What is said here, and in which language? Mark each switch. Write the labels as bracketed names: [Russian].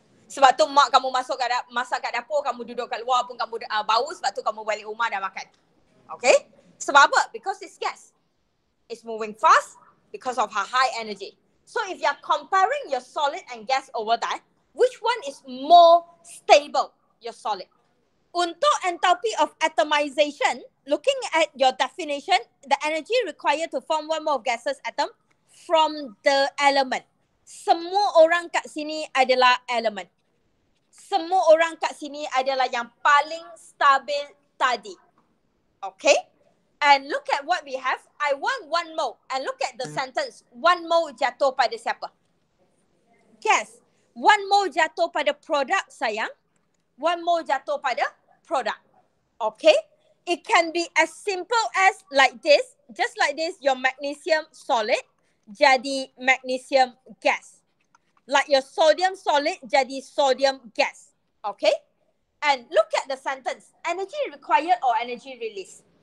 [Malay] Sebab tu mak kamu masak kat dapur, kamu duduk kat luar pun kamu bau, sebab tu kamu balik rumah dah makan. [English] Okay? [Malay] Sebab apa? [English] Because it's gas. It's moving fast because of her high energy. So if you're comparing your solid and gas over that, which one is more stable, your solid? Untuk enthalpy of atomization, looking at your definition, the energy required to form one more gaseous atom from the element. [Malay] Semua orang kat sini adalah element. Semua orang kat sini adalah yang paling stabil tadi. [English] Okay? And look at what we have. I want one mole. And look at the sentence. [Malay] One mole jatuh pada siapa? Yes. One mole jatuh pada produk, sayang. One mole jatuh pada produk. [English] Okay? It can be as simple as like this. Just like this, your magnesium solid jadi magnesium gas. Like your sodium solid jadi sodium gas. Okay? And look at the sentence. Energy required or energy released?